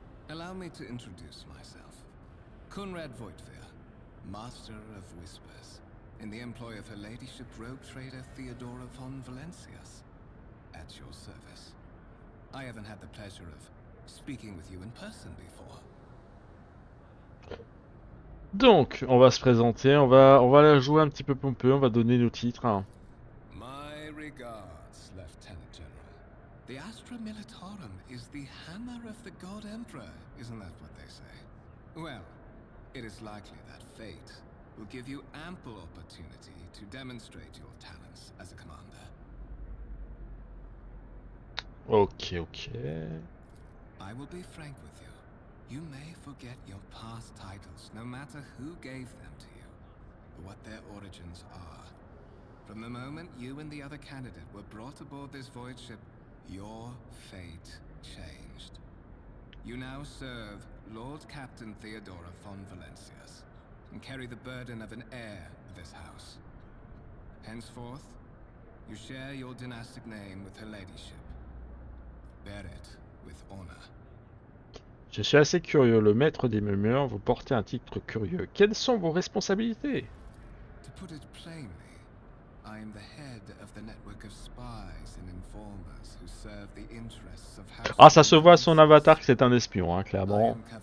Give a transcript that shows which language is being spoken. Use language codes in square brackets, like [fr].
[en] Allow me to introduce myself. Conrad Voigtvier, master of whispers. In the employ of her ladyship, rogue trader Theodora von Valencius. At your service. I haven't had the pleasure of speaking with you in person before. [fr] Donc, on va se présenter, on va la jouer un petit peu pompeux, on va donner nos titres. Hein. [en] My regards, Lieutenant General. The Astra Militarum is the hammer of the God Emperor, isn't that what they say? Well, it is likely that fate will give you ample opportunity to demonstrate your talents as a commander. Ok. I will be frank with you. You may forget your past titles, no matter who gave them to you, or what their origins are. From the moment you and the other candidate were brought aboard this void ship, your fate changed. You now serve Lord Captain Theodora von Valencius. And carry the burden of an heir of this house. Henceforth, you share your dynastic name with her ladyship. Bear it with honor. [fr] Je suis assez curieux, le maître des murmures, vous portez un titre curieux. Quelles sont vos responsabilités? [en] To put it plainly, I am the head of the network of spies and informers who serve the interests of House. [fr] Ah, ça se voit à son avatar que c'est un espion, hein, clairement.